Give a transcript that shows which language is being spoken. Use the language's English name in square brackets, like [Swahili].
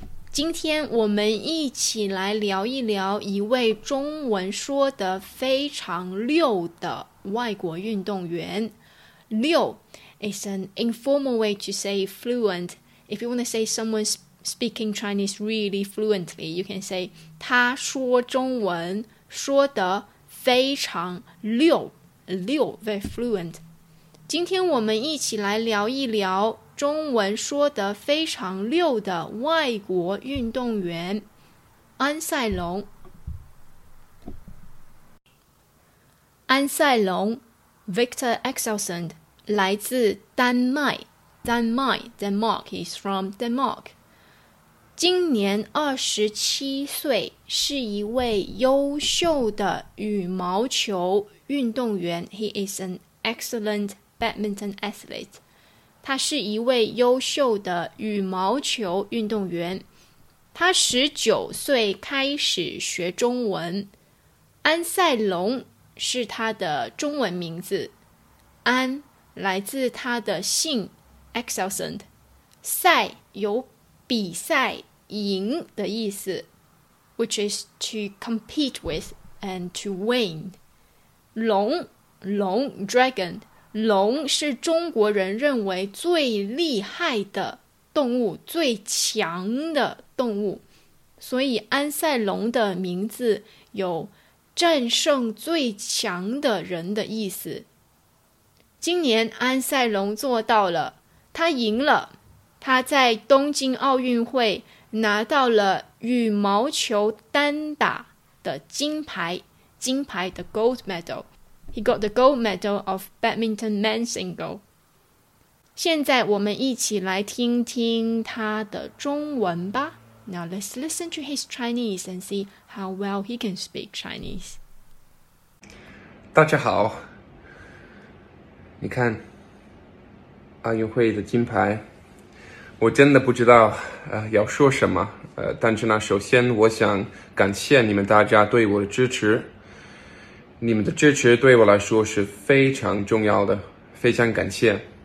[Chinese] 今天我们一起来聊一聊一位中文说得非常溜的外国运动员。 [English] 溜 is an informal way to say fluent. If you want to say someone'sSpeaking Chinese really fluently, you can say [Chinese] 他说中文说得非常溜溜 [English] very fluent. [Chinese] 今天我们一起来聊一聊中文说得非常溜的外国运动员安塞龙。 [English] 安塞龙 Victor Axelsen [Chinese] 来自丹麦 [English] Denmark, he's from Denmark. [Chinese] 今年27岁，是一位优秀的羽毛球运动员。 [English] He is an excellent badminton athlete. [Chinese] 他是一位优秀的羽毛球运动员。他19岁开始学中文。安塞龙是他的中文名字。安来自他的姓 Axelsen。赛有比赛。赢的意思 [English] which is to compete with and to win. [Chinese] 龙 dragon, 龙是中国人认为最厉害的动物，最强的动物，所以安塞龙的名字有战胜最强的人的意思。今年安塞龙做到了，他赢了，他在东京奥运会拿到了羽毛球单打的金牌的 gold medal. [English] He got the gold medal of badminton men's single. [Chinese] 现在我们一起来听听他的中文吧。 [English] Now let's listen to his Chinese and see how well he can speak Chinese. [Chinese] 大家好，你看，奥运会的金牌。我真的不知道要说什么但是呢首先我想感谢你们大家对我的支持。你们的支持对我来说是非常重要的，非常感谢。